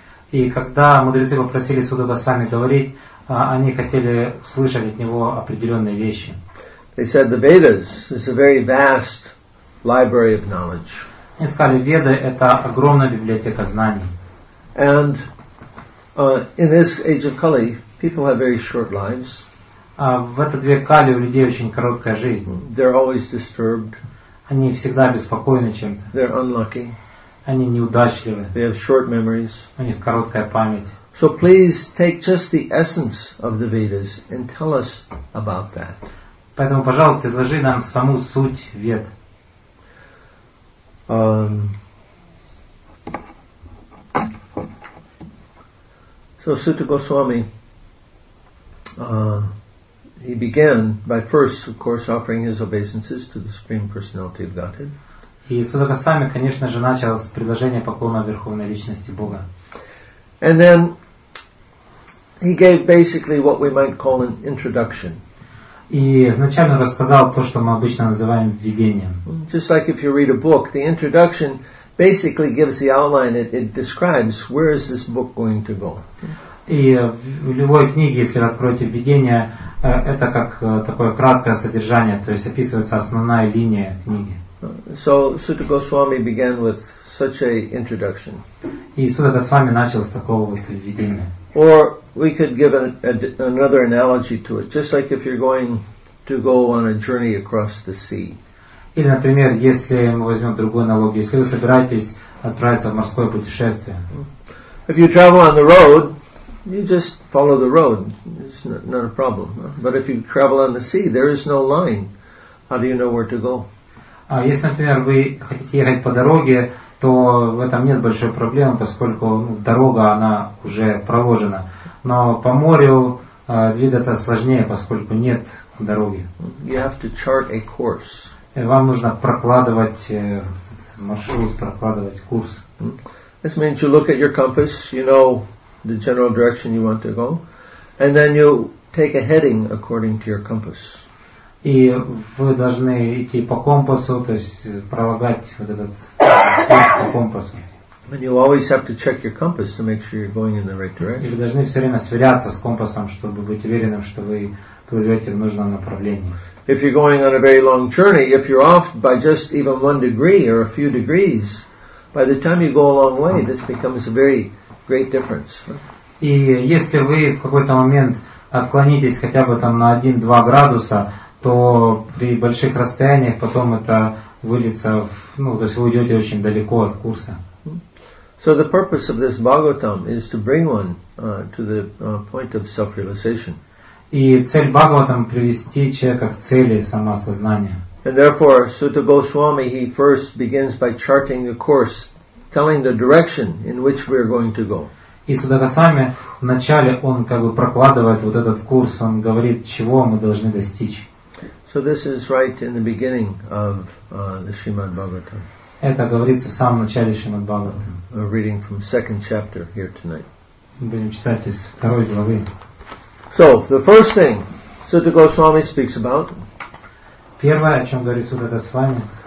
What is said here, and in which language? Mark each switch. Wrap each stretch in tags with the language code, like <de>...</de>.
<ru>И когда мудрецы попросили Суту Госвами говорить, они хотели услышать от него определенные вещи.</ru> <en>They said the Vedas is a very vast library of knowledge.</en> <ru>Они сказали, Веды это огромная библиотека знаний.</ru> <en>And in this age of Kali, people have very short lives.</en> <ru>В этот век Кали у людей очень короткая жизнь.</ru> <en>They're always disturbed.</en> <ru>Они всегда беспокойны чем-то.</ru> <en>They're unlucky.</en> <ru>Они неудачливы.</ru> <en>They have short memories.</en> <ru>У них короткая память.</ru> <en>So please take just the essence of the Vedas and tell us about that.</en> <ru>Поэтому, пожалуйста, изложи нам саму суть Вед.</ru> <en>So Suta Goswami, he began by first, of course, offering his obeisances to the Supreme Personality of Godhead.</en> <ru>И Суда Госвами, конечно же, начал с предложения поклона Верховной Личности Бога.</ru> <en>And then he gave basically what we might call an introduction.</en> <ru>И изначально рассказал то, что мы обычно называем введением.</ru> <en>Just like if you read a book, the introduction basically gives the outline, it describes where is this book going to go.</en> <ru>И в любой книге, если вы откроете введение, это как такое краткое содержание, то есть описывается основная линия книги.</ru> <en>So Suta Goswami began with such a introduction.</en> <ru>И Суда Госвами начал с такого вот введения.</ru> <en>Or we could give another analogy to it, just like if you're going to go on a journey across the sea.</en> <ru>Или, например, если мы возьмем другую аналогию, если вы собираетесь отправиться в морское путешествие.</ru> <en>If you travel on the road, you just follow the road. It's not a problem. But if you travel on the sea, there is no line. How do you know where to go?</en> <ru>Если, например, вы хотите ехать по дороге, то в этом нет большой проблемы, поскольку дорога, она уже проложена. Но по морю двигаться сложнее, поскольку нет дороги.</ru> <en>You have to chart a course.</en> <ru>И вам нужно прокладывать маршрут, прокладывать курс.</ru> <en>This means you look at your compass, you know the general direction you want to go, and then you take a heading according to your compass.</en> <ru>И вы должны идти по компасу, то есть пролагать вот этот по компасу.</ru> <en>And you always have to check your compass to make sure you're going in the right direction.</en> <ru>И вы должны все время сверяться с компасом, чтобы быть уверенным, что вы плывете в нужном направлении.</ru> <en>If you're going on a very long journey, if you're off by just even one degree or a few degrees, by the time you go a long way, this becomes a very great difference.</en> <ru>И если вы в какой-то момент отклонитесь хотя бы там на 1-2 градуса, то при больших расстояниях потом это выльется, ну, то есть вы уйдете очень далеко от курса.</ru> <en>So the purpose of this Bhagavatam is to bring one to the point of self-realization.</en> <ru>И цель Бхагаватам привести человека к цели самосознания.</ru> <en>And therefore, Sutta Goswami, he first begins by charting the course, telling the direction in which we are going to go.</en> <ru>И Сутта Госвами вначале он как бы прокладывает вот этот курс, он говорит, чего мы должны достичь.</ru> <en>So this is right in the beginning of the Srimad Bhagavatam.</en> <ru>Это говорится в самом начале Шримад Бхагаватам.</ru> <en>We're reading from second chapter here tonight.</en> <ru>Будем читать из второй главы.</ru> <en>So, the first thing Sutta Goswami speaks about.</en> <ru>Первое, о чем говорит Сутта Госвами.</ru>